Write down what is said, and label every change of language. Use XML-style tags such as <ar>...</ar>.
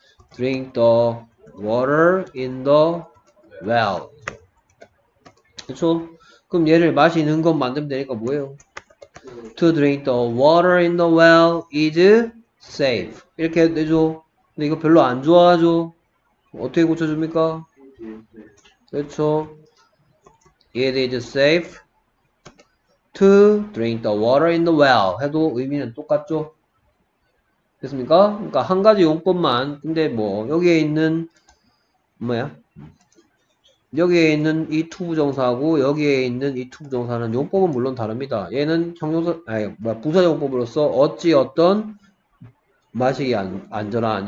<en>Drink the water in the well.</en> <ko>그렇죠? 그럼 얘를 마시는 것만 되면 되니까 뭐예요?</ko> <en>To drink the water in the well is safe.</en> <ko>이렇게 해도 되죠? 근데 이거 별로 안 좋아하죠? 어떻게 고쳐줍니까? 그렇죠?</ko> <en>It is safe to drink the water in the well.</en> <ko>해도 의미는 똑같죠? 됐습니까? 그러니까 한 가지 용법만, 근데 뭐, 여기에 있는, 뭐야? 여기에 있는 이 투부 정사하고 여기에 있는 이 투부 정사는 용법은 물론 다릅니다. 얘는 형용사, 아니, 부사 용법으로서 어찌 어떤 마시기 안전한.</ko>